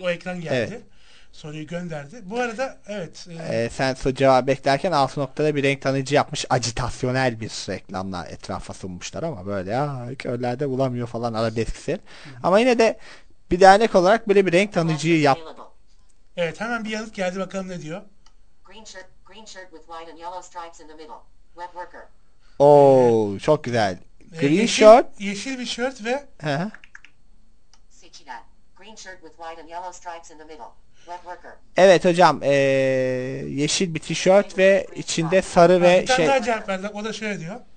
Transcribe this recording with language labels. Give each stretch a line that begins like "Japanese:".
Turkish: O ekran geldi. Evet. Soruyu gönderdi. Bu arada evet. Sen soru cevabı beklerken altı noktada bir renk tanıyıcı yapmış. Ajitasyonel bir reklamla etrafa sunmuşlar ama böyle ya köylerde bulamıyor falan arabeskisi. Ama yine de bir dernek olarak böyle bir renk tanıyıcıyı yap. Evet, hemen bir yanıt geldi, bakalım ne diyor.
English: Green shirt with white and yellow stripes in the middle. Web worker.
Turkish: Oo, çok güzel.
English: Green shirt.
Turkish: Yeşil bir shirt ve seçilen.
English: Green shirt with white and yellow stripes in the middle. Web worker.
Turkish: Evet hocam, yeşil bir tişört ve içinde sarı ve şey. Bir tane daha cevap verdi, o da şöyle diyor.